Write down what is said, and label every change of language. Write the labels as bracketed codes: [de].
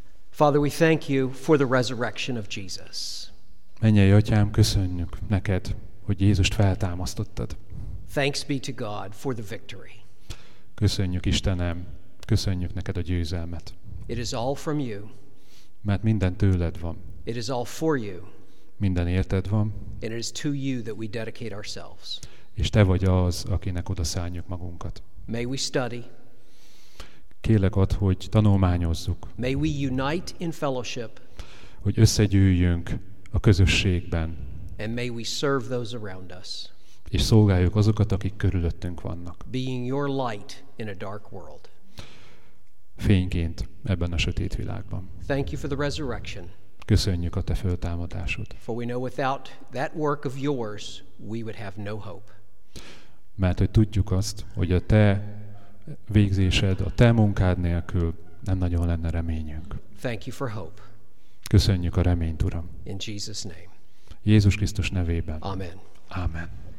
[en] Father, we thank you for the resurrection of Jesus. [hu] Mennyei Atyám, köszönjük neked, hogy Jézust feltámasztottad. [en] Thanks be to God for the victory. [hu] Köszönjük Istenem, köszönjük neked a győzelmet. [en] It is all from you. [hu] Mert minden tőled van. [en] It is all for you. [hu] Minden érted van. [en] And it is to you that we dedicate ourselves. [hu] És te vagy az, akinek odaszálljuk magunkat. [en] May we study. [hu] Kérlek ad, hogy tanulmányozzuk. [en] May we unite in fellowship. [hu] Hogy összegyűjjünk a közösségben. [en] And may we serve those around us. [hu] És szolgáljuk azokat, akik körülöttünk vannak. [en] Being your light in a dark world. [hu] Fényként ebben a sötét világban. [en] Thank you for the resurrection. [hu] Köszönjük a te föltámadásod. [en] For we know without that work of yours, we would have no hope. [hu] Mert hogy tudjuk azt, hogy a te végzésed, a te munkád nélkül nem nagyon lenne reményünk. [en] Thank you for hope. [hu] Köszönjük a reményt, Uram. [en] In Jesus' name. [hu] Jézus Krisztus nevében. [en] Amen. [hu] Amen.